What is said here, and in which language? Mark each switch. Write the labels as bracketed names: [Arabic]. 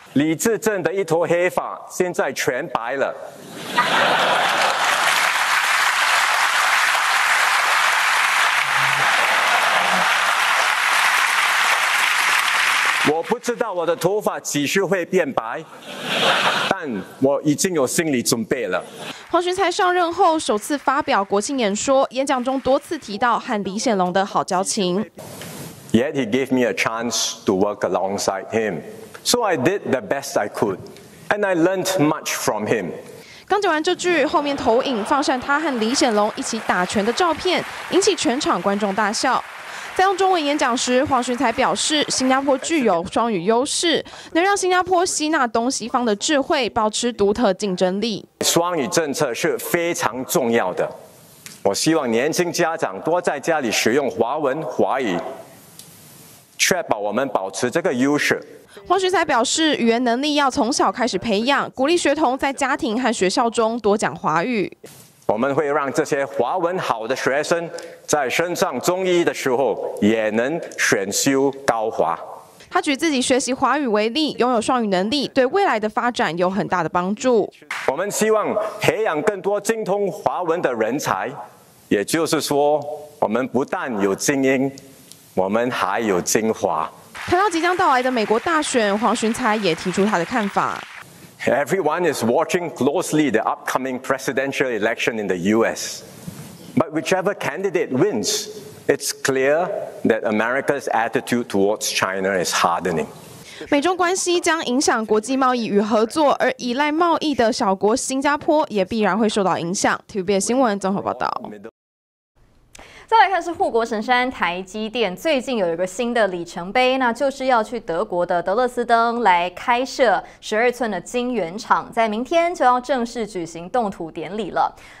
[Chinese] 李自正的一头黑发现在全白了。我不知道我的头发几时会变白，但我已经有心理准备了。黄循财上任后首次发表国庆演说，演讲中多次提到和李显龙的好交情。 [English] Yet he gave me a chance to work alongside him, so I did the best I could, and I learned much from him. [Chinese] 刚讲完这句，后面投影放上他和李显龙一起打拳的照片，引起全场观众大笑。在用中文演讲时，黄循财表示，新加坡具有双语优势，能让新加坡吸纳东西方的智慧，保持独特竞争力。双语政策是非常重要的，我希望年轻家长多在家里使用华文、华语，确保我们保持这个优势。黄循财表示，语言能力要从小开始培养，鼓励学童在家庭和学校中多讲华语。我们会让这些华文好的学生在升上中医的时候也能选修高华。他举自己学习华语为例，拥有双语能力对未来的发展有很大的帮助。我们希望培养更多精通华文的人才，也就是说，我们不但有精英，我们还有精华。谈到即将到来的美国大选，黄循财也提出他的看法。 [English] Everyone is watching closely the upcoming presidential election in the US. But whichever candidate wins, it's clear that America's attitude towards China is hardening. [Chinese] 美中关系将影响国际贸易与合作，而依赖贸易的小国新加坡也必然会受到影响。 TVBS 新闻综合报道。再来看是护国神山台积电，最近有一个新的里程碑，那就是要去德国的德勒斯登来开设12寸的晶圆厂，在明天就要正式举行动土典礼了。